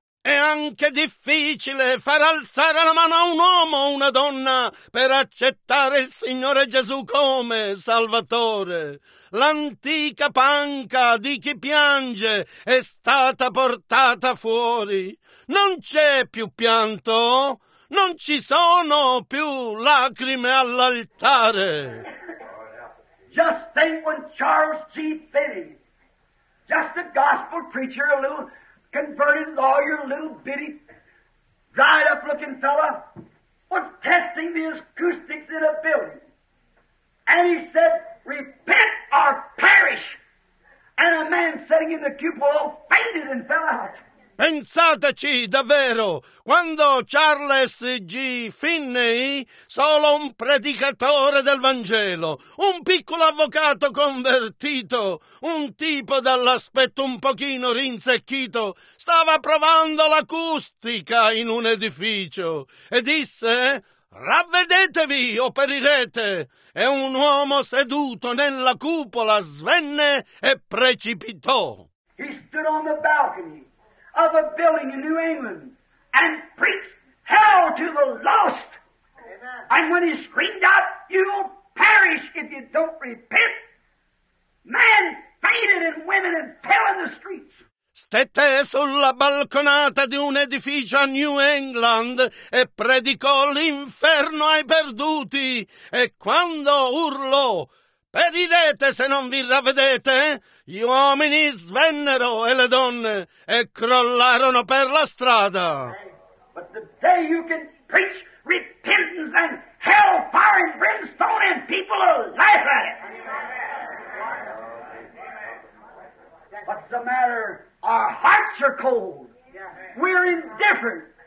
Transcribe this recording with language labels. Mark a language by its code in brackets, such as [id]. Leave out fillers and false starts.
[it] È anche difficile far alzare la mano a un uomo o una donna per accettare il Signore Gesù come Salvatore. L'antica panca di chi piange è stata portata fuori. Non c'è più pianto. Non ci sono più lacrime all'altare. [en] Just think when Charles G. Finney, just a gospel preacher, a little converted lawyer, a little bitty, dried up looking fella, was testing the acoustics in a building. And he said, repent or perish. And a man sitting in the cupola fainted and fell out. [it] Pensateci davvero, quando Charles G. Finney, solo un predicatore del Vangelo, un piccolo avvocato convertito, un tipo dall'aspetto un pochino rinsecchito, stava provando l'acustica in un edificio e disse: «Ravvedetevi o perirete!» E un uomo seduto nella cupola svenne e precipitò. [en] He stood on the balcony of a building in New England and preached hell to the lost. Amen. And when he screamed out, "You'll perish if you don't repent," men fainted and women and fell in the streets. [it] Stette sulla balconata di un edificio a New England e predicò l'inferno ai perduti. E quando urlò: «Perirete se non vi ravvedete!» Gli uomini svennero e le donne e crollarono per la strada. [en] But the day you can preach repentance and hell, fire and brimstone, and people will laugh at it. What's the matter? Our hearts are cold. We're indifferent.